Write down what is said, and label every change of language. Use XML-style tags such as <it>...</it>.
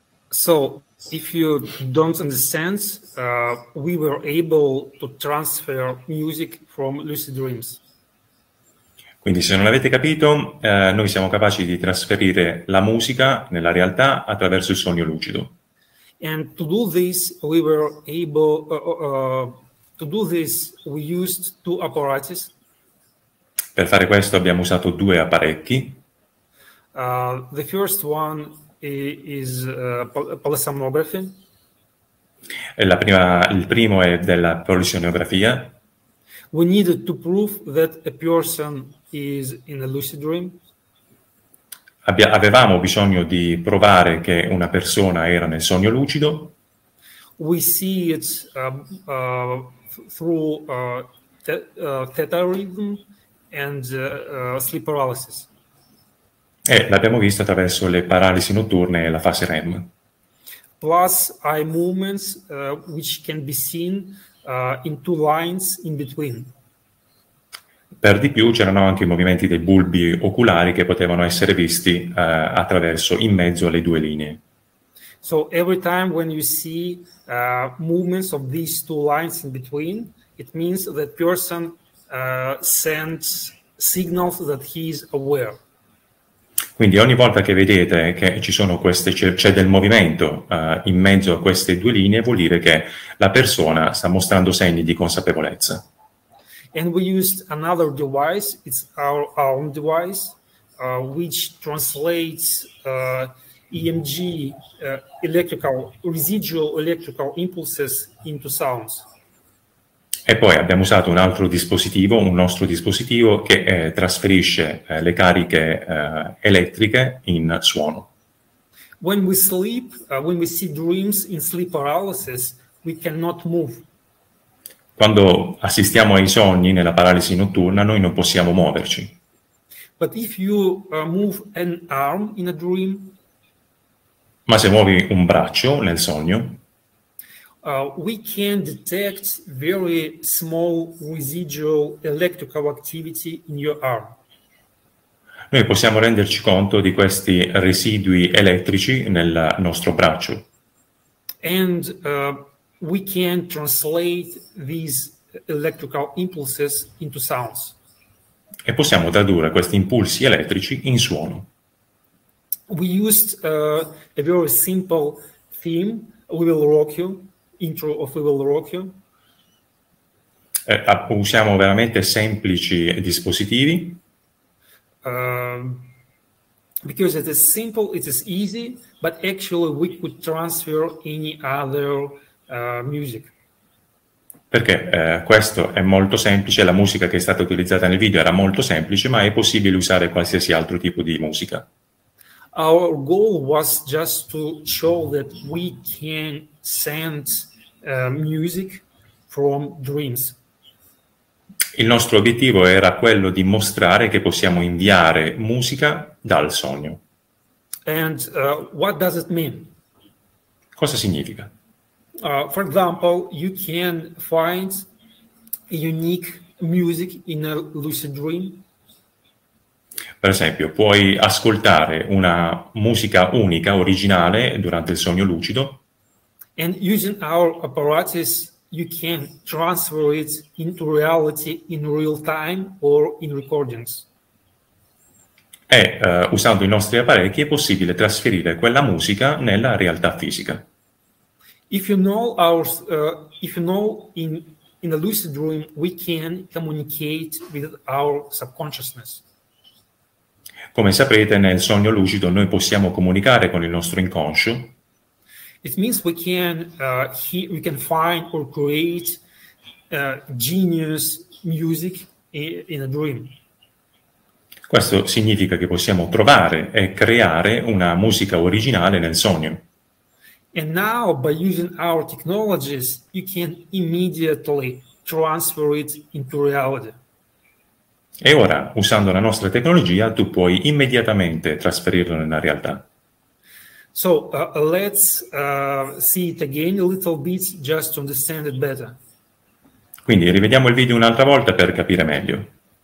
<en>So if you don't understand, we were able to transfer music from Lucid Dreams.</en> <it>Quindi se non l'avete capito, noi siamo capaci di trasferire la musica nella realtà attraverso il sogno lucido.</it> <en>And to do this, we were able to do this. We used two apparatus.</en> <it>Per fare questo abbiamo usato due apparecchi.</it> <en>The first one is polysomnography.</en> <it>Il primo è della polisomnografia.</it> <en>We needed to prove that a person is in a lucid dream.</en> <it>Avevamo bisogno di provare che una persona era nel sogno lucido.</it> <en>We see it through theta rhythm and sleep paralysis.</en> <it>E l'abbiamo visto attraverso le paralisi notturne e la fase REM.</it> <en>Plus eye movements which can be seen in two lines in between.</en> <it>Per di più c'erano anche i movimenti dei bulbi oculari che potevano essere visti attraverso, in mezzo alle due linee.</it> <en>So every time when you see movements of these two lines in between, it means that person sends signals that he is aware.</en> <it>Quindi ogni volta che vedete che c'è del movimento in mezzo a queste due linee, vuol dire che la persona sta mostrando segni di consapevolezza.</it> <en>And we used another device, it's our own device, which translates EMG, residual electrical impulses, into sounds.</en> <it>E poi abbiamo usato un altro dispositivo, un nostro dispositivo, che trasferisce le cariche elettriche in suono.</it> <en>When we sleep, when we see dreams in sleep paralysis, we cannot move.</en> <it>Quando assistiamo ai sogni nella paralisi notturna, noi non possiamo muoverci.</it> <en>But if you move an arm in a dream,</en> <it>ma se muovi un braccio nel sogno,</it> <en>we can detect very small residual electrical activity in your arm.</en> <it>Noi possiamo renderci conto di questi residui elettrici nel nostro braccio.</it> <en>And we can translate these electrical impulses into sounds.</en> <it>E possiamo tradurre questi impulsi elettrici in suono.</it> <en>We used a very simple theme, We Will Rock You, intro of We Will Rock You.</en> <it>Usiamo veramente semplici dispositivi.</it> <en>Because it is simple, it is easy, but actually we could transfer any other music.</en> <it>Perché questo è molto semplice, la musica che è stata utilizzata nel video era molto semplice, ma è possibile usare qualsiasi altro tipo di musica.</it> <en>Our goal was just to show that we can send music from dreams.</en> <it>Il nostro obiettivo era quello di mostrare che possiamo inviare musica dal sogno.</it> <en>And what does it mean?</en> <it>Cosa significa?</it> <en>For example, you can find a unique music in a lucid dream.</en> <it>Per esempio, puoi ascoltare una musica unica, originale, durante il sogno lucido.</it> <en>And using our apparatus, you can transfer it into reality in real time or in recordings.</en> <it>E usando i nostri apparecchi è possibile trasferire quella musica nella realtà fisica.</it> <en>If you know our, if you know in a lucid dream, we can communicate with our subconsciousness.</en> <it>Come saprete, nel sogno lucido noi possiamo comunicare con il nostro inconscio.</it> <en>It means we can we can find or create genius music in a dream.</en> <it>Questo significa che possiamo trovare e creare una musica originale nel sogno.</it> <en>And now, by using our technologies, you can immediately transfer it into reality.</en> <it>E ora, usando la nostra tecnologia, tu puoi immediatamente trasferirlo nella realtà.</it> <en>So, let's see it again a little bit, just to understand it better.</en> <it>Quindi, rivediamo il video un'altra volta per capire meglio.</it>